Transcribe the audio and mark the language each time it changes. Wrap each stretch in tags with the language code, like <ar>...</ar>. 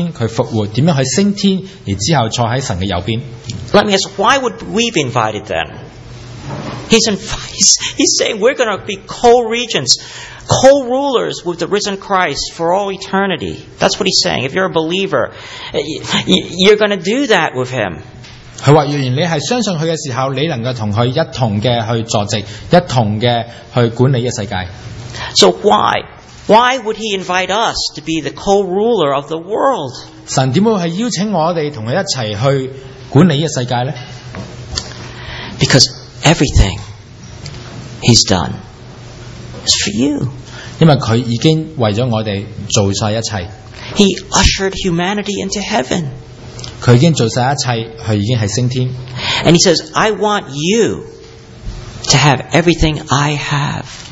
<zh>在《使徒信条》我们都读过，就是说耶稣基督他怎样的去牺牲，他怎样钉在十架上去死，去埋葬，而之后三天他复活，怎样去升天，而之后坐在神的右边。</zh> <en>Let me ask, why would we be invited then? He's saying we're going to be co-regents, co-rulers with the risen Christ for all eternity. That's what he's saying. If you're a believer, you're going to do that with him.</en> <zh>他说，若然你是相信他的时候，你能够同他一同的去坐席，一同的去管理这个世界。</zh> <en>So why? Why would he invite us to be the co-ruler of the world?</en> <zh>神怎么会邀请我们同他一起去管理这个世界呢？</zh> <en>Because everything he's done is for you.</en> <zh>因为他已经为了我们做了一切。</zh> <en>He ushered humanity into heaven.</en> <zh>他已经做了一切，他已经是升天。</zh> <en>And he says, I want you to have everything I have.</en>